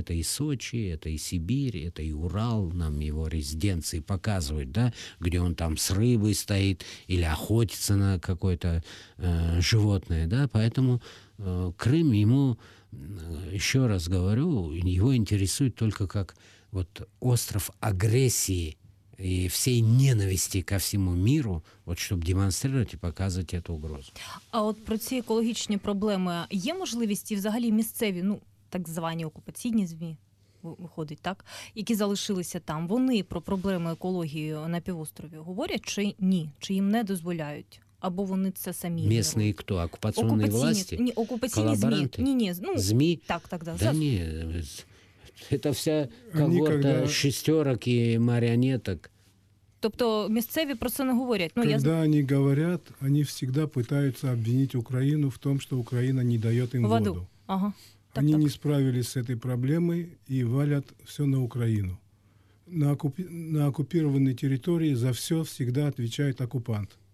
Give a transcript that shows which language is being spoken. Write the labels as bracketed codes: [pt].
[ru] Это и Сочи, это и Сибирь, это и Урал. Нам его резиденции показывают, да, где он там с рыбой стоит или охотится на какое-то животное. Да? Поэтому Крым ему, еще раз говорю, его интересует только как вот остров агрессии и всей ненависти ко всему миру, [uk] от щоб демонстрировать і показати цю угрозу. А от про ці екологічні проблеми є можливість і взагалі місцеві, ну, так звані окупаційні ЗМІ, виходить так, які залишилися там, вони про проблеми екології на півострові говорять чи ні, чи їм не дозволяють? Або вони це самі місцеві, хто окупаційні власті? Ні, окупаційні ЗМІ. Ні, ну, ЗМІ. Так, да. Да ні. [ru] Это вся когорта шестерок и марионеток. [uk] Тобто місцеві просто не говорять. [ru] Когда они говорят, они всегда пытаются обвинить Украину в том, что Украина не дает им воду. Ага. Они не справились с этой проблемой и валят все на Украину. На оккупированной территории за все всегда отвечает оккупант.